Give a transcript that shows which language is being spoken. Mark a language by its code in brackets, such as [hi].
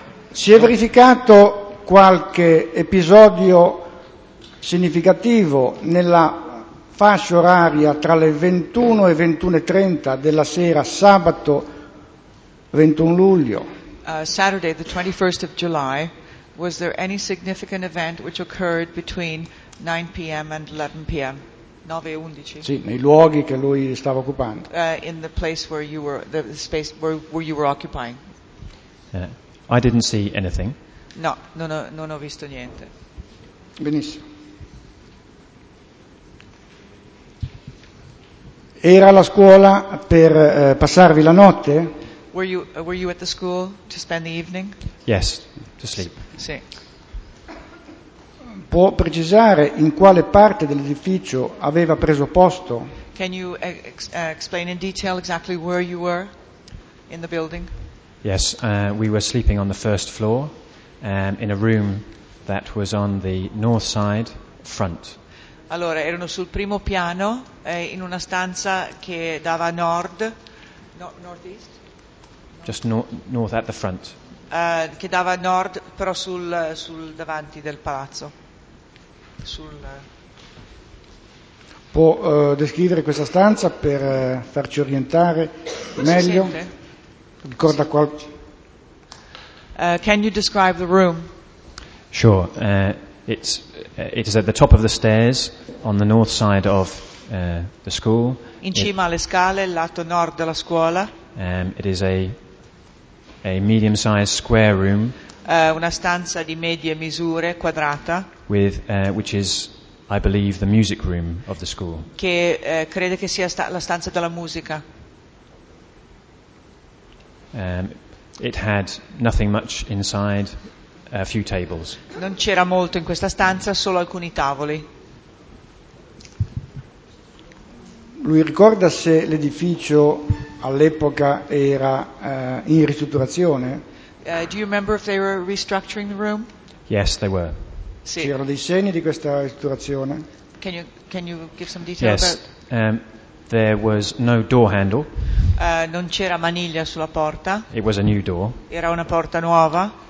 [it] Si è verificato qualche episodio significativo nella fascia oraria tra le 21 e 21.30 della sera sabato 21 luglio? [en] Saturday, the 21st of July, was there any significant event which occurred between 9 p.m. and 11 p.m.? [it] 9 e 11? Sì, nei luoghi che lui stava occupando. [en] In the place where you were, the space where you were occupying. Yeah. I didn't see anything. [it] No, non ho visto niente. Benissimo. Era alla scuola per passarvi la notte? [en] Were you at the school to spend the evening? Yes, to sleep. [it] Sì. Può precisare in quale parte dell'edificio aveva preso posto? [en] Can you explain in detail exactly where you were in the building? Yes, we were sleeping on the first floor in a room that was on the north side front. [it] Allora, erano sul primo piano in una stanza che dava nord, northeast. [en] Just north at the front. [it] Che dava nord però sul davanti del palazzo. Può descrivere questa stanza per farci orientare meglio? Ricorda qualche... [en] Can you describe the room? Sure. It is at the top of the stairs on the north side of the school. [it] In cima alle scale, lato nord della scuola. [en] It is a medium-sized square room. [it] Una stanza di medie misure, quadrata. [en] With which is, I believe, the music room of the school. [it] Che crede che sia la stanza della musica. [en] It had nothing much inside, a few tables. [it] Non c'era molto in questa stanza, solo alcuni tavoli. Lui ricorda se l'edificio all'epoca era in ristrutturazione? [en] Do you remember if they were restructuring the room? Yes, they were. [it] Sì. C'erano dei segni di questa ristrutturazione? [en] Can you give some detail? Yes. About... There was no door handle. [it] Non c'era maniglia sulla porta. [en] It was a new door. [it] Era una porta nuova.